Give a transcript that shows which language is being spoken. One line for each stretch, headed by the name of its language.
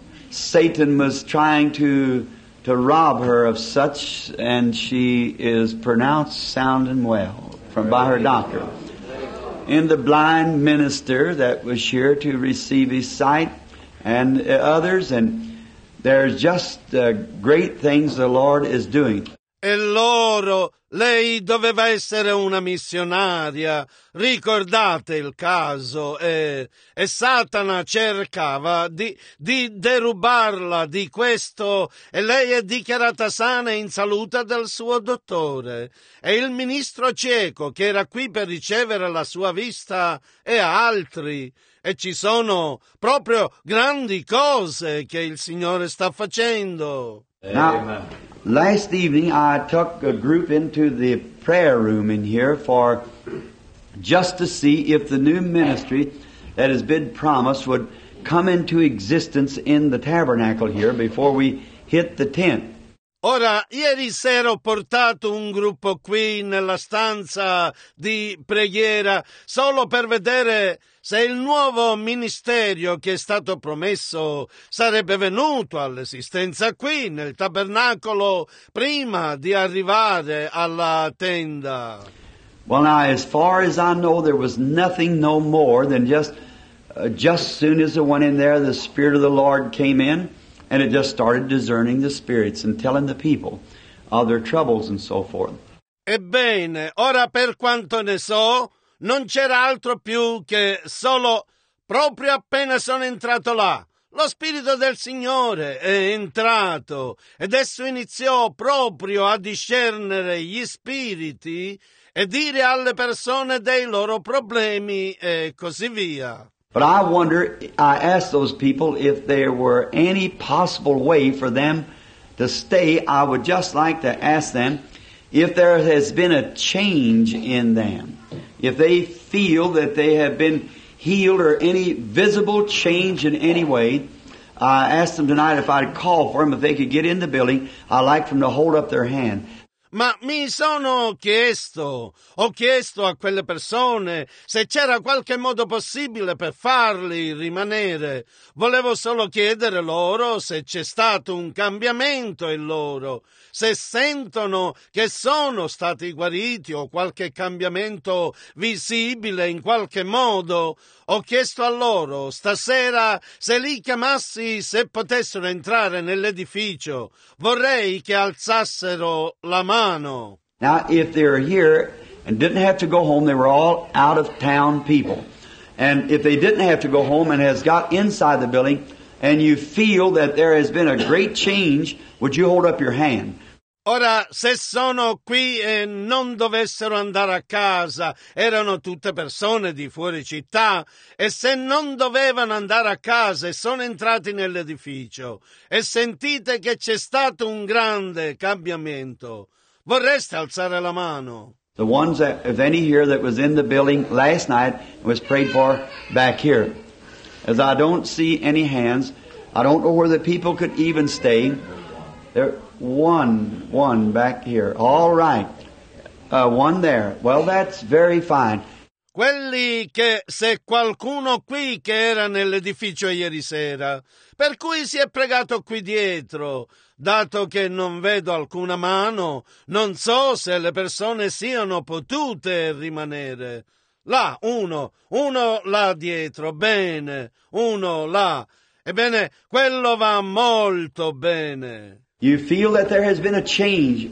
English: Satan was trying to rob her of such, and she is pronounced sound and well from by her doctor. In the blind minister that was here to receive his sight and others, and there's just great things the Lord is doing.
Italian: E loro, lei doveva essere una missionaria, ricordate il caso, e Satana cercava di derubarla di questo, e lei è dichiarata sana e in salute dal suo dottore, e il ministro cieco che era qui per ricevere la sua vista e altri, e ci sono proprio grandi cose che il Signore sta facendo.
English: Amen. Last evening I took a group into the prayer room in here for just to see if the new ministry that has been promised would come into existence in the tabernacle here before we hit the tent.
Italian: Ora, ieri sera ho portato un gruppo qui nella stanza di preghiera solo per vedere se il nuovo ministerio che è stato promesso sarebbe venuto all'esistenza qui nel tabernacolo prima di arrivare alla tenda.
English: Well, now, as far as I know, there was nothing no more than just as soon as I went in there, the Spirit of the Lord came in. And it just started discerning the spirits and telling the people of their troubles and so forth.
Italian: Ebbene, ora per quanto ne so, non c'era altro più che solo proprio appena sono entrato là. Lo Spirito del Signore è entrato ed esso iniziò proprio a discernere gli spiriti e dire alle persone dei loro problemi e così via.
English: But I wonder, I asked those people if there were any possible way for them to stay. I would just like to ask them if there has been a change in them, if they feel that they have been healed or any visible change in any way. I asked them tonight if I'd call for them, if they could get in the building, I'd like for them to hold up their hand.
Italian: Ma mi sono chiesto, ho chiesto a quelle persone se c'era qualche modo possibile per farli rimanere. Volevo solo chiedere loro se c'è stato un cambiamento in loro, se sentono che sono stati guariti o qualche cambiamento visibile in qualche modo. Ho chiesto a loro stasera se li chiamassi se potessero entrare nell'edificio. Vorrei che alzassero la mano.
English: Now, if they were here and didn't have to go home, they were all out-of-town people. And if they didn't have to go home and has got inside the building, and you feel that there has been a great change, would you hold up your hand?
Italian: Ora, se sono qui e non dovessero andare a casa, erano tutte persone di fuori città, e se non dovevano andare a casa e sono entrati nell'edificio, e sentite che c'è stato un grande cambiamento, vorreste alzare la mano?
English: The ones that, if any here that was in the building last night was prayed for back here. As I don't see any hands, I don't know where the people could even stay. One back here. All right. One there. Well, that's very fine.
Italian: Quelli che, se qualcuno qui che era nell'edificio ieri sera, per cui si è pregato qui dietro, dato che non vedo alcuna mano, non so se le persone siano potute rimanere. Là, uno là dietro, bene, uno là. Ebbene, quello va molto bene.
English: You feel that there has been a change.